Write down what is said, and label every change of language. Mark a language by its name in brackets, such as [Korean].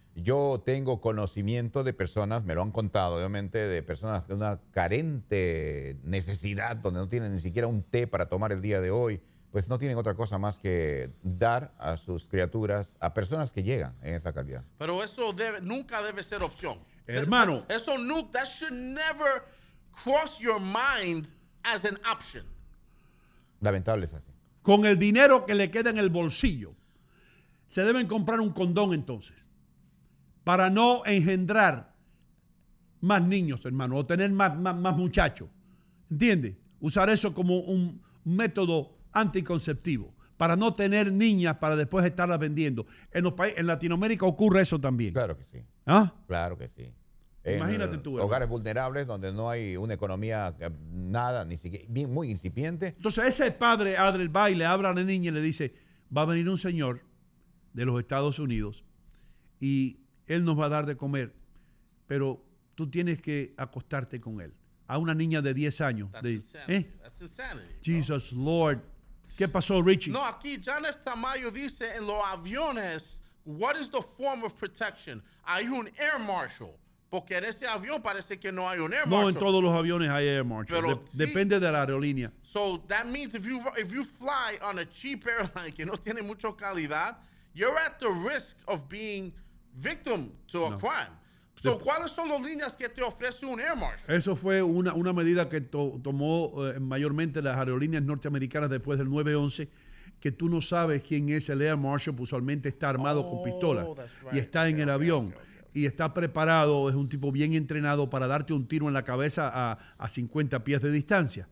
[Spanish] Yo tengo conocimiento de personas, me lo han contado, obviamente, de personas de una carente necesidad, donde no tienen ni siquiera un té para tomar el día de hoy. Pues no tienen otra cosa más que dar a sus criaturas, a personas que llegan en esa calidad. Pero eso nunca debe ser opción. Hermano. Eso nunca, [English] that should never cross your mind as an option. [Spanish] Lamentable es así. Con el dinero que le queda en el bolsillo, se deben comprar un condón entonces, para no engendrar más niños, hermano, o tener más muchachos. ¿Entiendes? Usar eso como un método anticonceptivo, para no tener niñas para después estarlas vendiendo. En los países, en Latinoamérica ocurre eso también. Claro que sí. ¿Ah? Claro que sí. Imagínate tú. Hogares vulnerables donde no hay una economía, nada, ni siquiera, muy incipiente. Entonces ese padre, Adriel, va y le habla a la niña y le dice, va a venir un señor de los Estados Unidos y él nos va a dar de comer, pero tú tienes que acostarte con él. A una niña de 10 años. [English] That's insanity. Jesus, bro. Lord. [Spanish] ¿Qué pasó, Richie? No, aquí John F. Tamayo dice en los aviones, [English] what is the form of protection? [Spanish] Hay un air marshal. Porque en ese avión parece que no hay un air marshal. No, en todos los aviones hay air marshal. Pero, depende de la aerolínea. [English] So that means if you fly on a cheap airline [Spanish] que no tiene mucha calidad, [English] you're at the risk of being victim to a crime. [Spanish] So, ¿cuáles son las líneas que te ofrece un air marshal? Eso fue una medida que tomó mayormente las aerolíneas norteamericanas después del 9-11, que tú no sabes quién es el air marshal, pues usualmente está armado con pistola y está en el avión. [English] Okay. [Spanish] Y está preparado, es un tipo bien entrenado para darte un tiro en la cabeza a 50 pies de distancia.